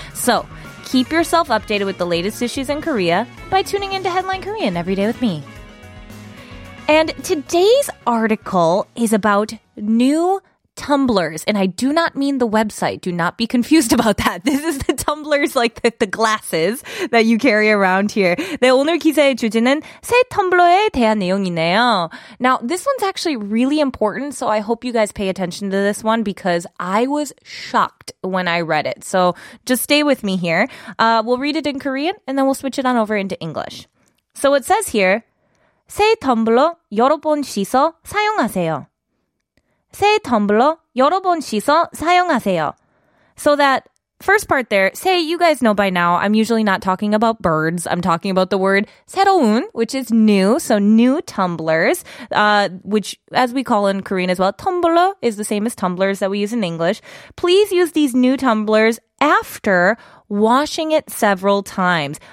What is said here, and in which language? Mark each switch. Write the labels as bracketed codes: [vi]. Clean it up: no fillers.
[en] So keep yourself updated with the latest issues in Korea by tuning into Headline Korean every day with me. And today's article is about new tumblers, and I do not mean the website. Do not be confused about that. This is the tumblers, like the glasses that you carry around here. [ko] 네, 오늘 기사의 주제는 새 텀블러에 대한 내용이네요. [en] Now, this one's actually really important, so I hope you guys pay attention to this one because I was shocked when I read it. So just stay with me here. We'll read it in Korean, and then we'll switch it on over into English. So it says here, [ko] 새 텀블러 여러 번 씻어 사용하세요. 새 텀블러 여러 번 씻어 사용하세요. [en] So that first part there, say, you guys know by now, I'm usually not talking about birds. I'm talking about the word 새로운, which is new. So new tumblers, which as we call in Korean as well, 텀블러 is the same as tumblers that we use in English. Please use these new tumblers after washing it several times.